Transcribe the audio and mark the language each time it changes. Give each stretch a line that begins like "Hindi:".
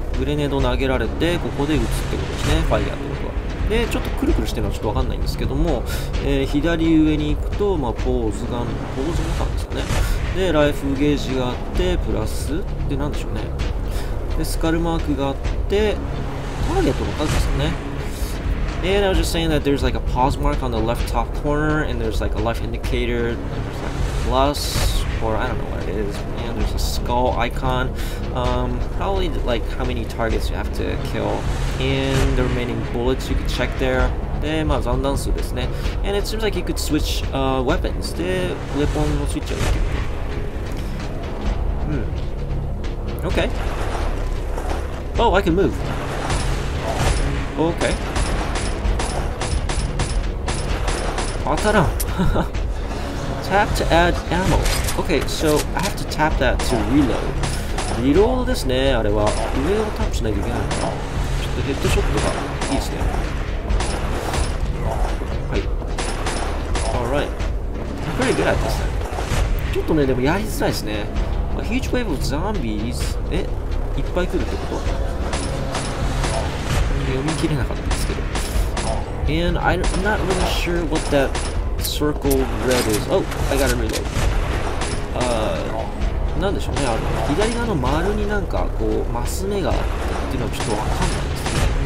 Japanese: グレネードを投げられて、ここで撃つってことですね。ファイヤーってことは。で、ちょっとクルクルしてるのはちょっとわかんないんですけども、左上に行くと、まあ、ポーズボタンですかね。で、ライフゲージがあって、プラス、で、なんでしょうね。で、スカルマークがあって、ターゲットの数ですよね。
English: And I was just saying that there's like a pause mark on the left top corner, and there's like a life indicator, there's like a plus, or I don't know what it is, and there's a skull icon, probably like how many targets you have to kill, and the remaining bullets you could check there.
Japanese: で、まあ残弾数ですね。
English: And it seems like you could switch, weapons.
Japanese: で、ウェポンのスイッチを抜ける。
English: Okay. Oh, I can move. Okay.
Japanese: 当たらん
English: Tap to add ammo. Okay, so I have to tap that to reload.
Japanese: リロードですね、あれは。上をタップしないといけないのかな。ちょっとヘッドショットがいいですね。はい。
English: Alright. Pretty good at this thing.
Japanese: ちょっとね、でもやりづらいですね。
English: A huge wave of zombies.
Japanese: え、いっぱい来るってこと？読み切れなかったですけど。
English: And I'm not really sure what that circle red is. Oh, I gotta reload.
Japanese: なんでしょうね。あの左側の丸になんかこうマス目があってっていうのはちょっとわかんないですね。